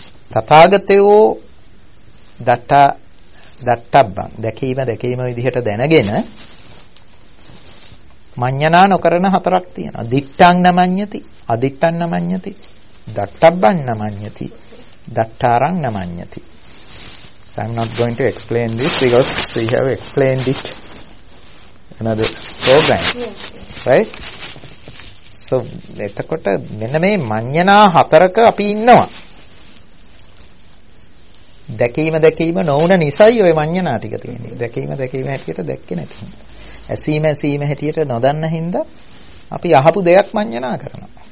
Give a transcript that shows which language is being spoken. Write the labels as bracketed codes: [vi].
[si] තථාගතයෝ දත්තබ්බං දැකීම දැකීම විදිහට දැනගෙන මඤ්ඤණා නොකරන හතරක් තියෙනවා. [pi] දිට්ඨං නමඤ්ඤති, අදිට්ඨං නමඤ්ඤති, දත්තබ්බං නමඤ්ඤති, දත්තාරං නමඤ්ඤති. [en] So I'm not going to explain this because we have explained it another program. Right? [si] So එතකොට මෙන්න මේ මඤ්ඤණා හතරක අපි ඉන්නවා. දැකීම දැකීම නොවුන නිසායි ওই මඤ්ඤණා ටික තියෙන්නේ. දැකීම දැකීම හැටියට දැක්කේ නැති හින්දා. ඇසීම ඇසීම හැටියට නොදන්න හින්දා අපි අහපු දෙයක් මඤ්ඤණා කරනවා.